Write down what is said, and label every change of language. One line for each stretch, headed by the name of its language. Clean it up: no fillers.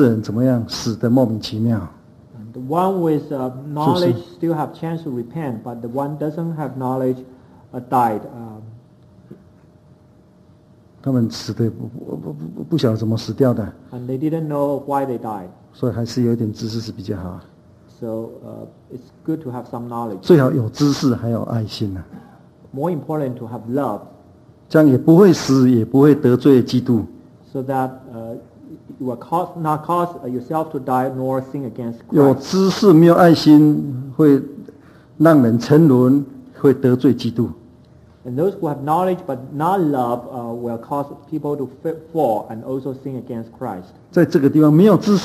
Chinese: 所以在这个情况之下，知识叫人自高自大，还有悔改的机会。那些没有知识人怎么样，死得莫名其妙。
English: The one with knowledge still have chance to repent, but the one doesn't have knowledge died.
Chinese: 他们死的不晓得怎么死掉的。
English: And they didn't know why they died.
Chinese: 所以还是有点知识是比较好。 So
English: it's good to have some knowledge.
Chinese: 最好有知识还有爱心啊。
English: More important to have love.
Chinese: 这样也不会死，也不会得罪基督。
English: So that you will not cause yourself to die nor sin against Christ.
Chinese: 有知识没有爱心，会让人沉沦，会得罪基督。
English: And those who have knowledge but not love will cause people to fall and also sin against Christ.